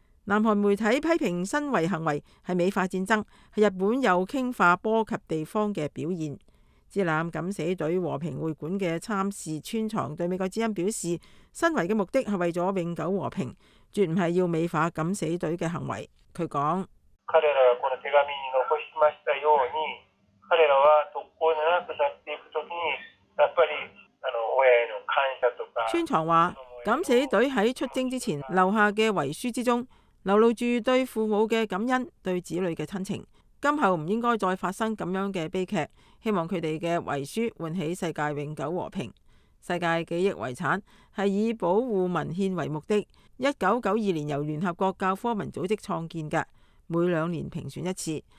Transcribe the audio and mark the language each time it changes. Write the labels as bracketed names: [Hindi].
[Chinese] 南韩媒体批评身遗行为是美化战争，是日本右倾化波及地方的表现。支那敢死队和平会馆的参事川藏对美国之音表示，身遗的目的是为了永久和平，绝不是要美化敢死队的行为。他说， [Japanese] 彼らはこの手紙に残しましたように、彼らは特攻を長くさせていくときに、やっぱり親への感謝とか。 [Chinese] 川藏说，敢死队在出征之前留下的遗书之中流露着对父母的感恩，对子女的亲情，今后不应该再发生这样的悲剧，希望他们的遗书唤起世界永久和平。世界记忆遗产是以保护文献为目的，1992年由联合国教科文组织创建的，每两年评选一次。